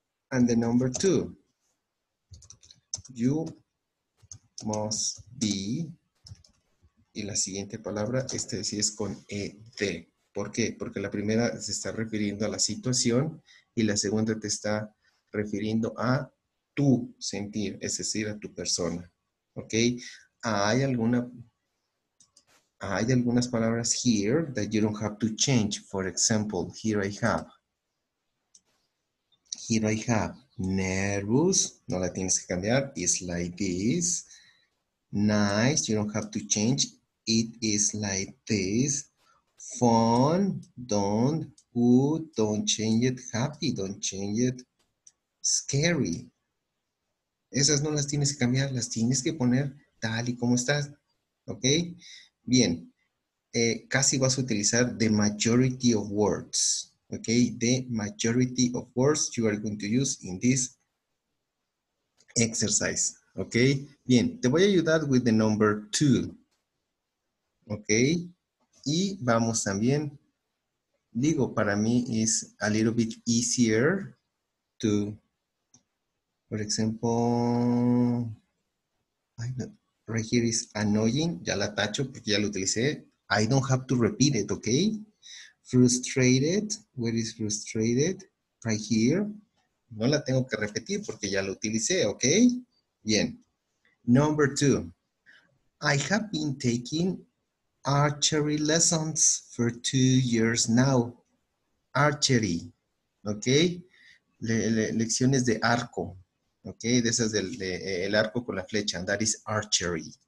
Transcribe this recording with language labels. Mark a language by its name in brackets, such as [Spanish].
[English] And the number 2. You must be. [Spanish] Y la siguiente palabra, esta sí es con ed. ¿Por qué? Porque la primera se está refiriendo a la situación y la segunda te está refiriendo a tu sentir, es decir, a tu persona. ¿Ok? ¿Hay alguna... Hay algunas palabras [English] here that you don't have to change. For example, here I have. Here I have. Nervous. [Spanish] No la tienes que cambiar. [English] It's like this. Nice. You don't have to change. It is like this. Fun. Don't. Good. Don't change it. Happy. Don't change it. Scary. [Spanish] Esas no las tienes que cambiar. Las tienes que poner tal y como estás. ¿Ok? Bien, casi vas a utilizar [English] the majority of words, [Spanish] ¿ok? [English] The majority of words you are going to use in this exercise, ¿ok? [Spanish] Bien, te voy a ayudar [English] with the number 2, [Spanish] ¿ok? Y vamos también, digo, para mí [English] is a little bit easier to For example, right here is annoying. [Spanish] Ya la tacho porque ya la utilicé. [English] I don't have to repeat it, okay? Frustrated. Where is frustrated? Right here. [Spanish] No la tengo que repetir porque ya la utilicé, okay? [English] Bien. Number two. I have been taking archery lessons for 2 years now. [Spanish] Archery, okay? Lecciones de arco. [English] Okay, this is [Spanish] el arco con la flecha, [English] and that is archery.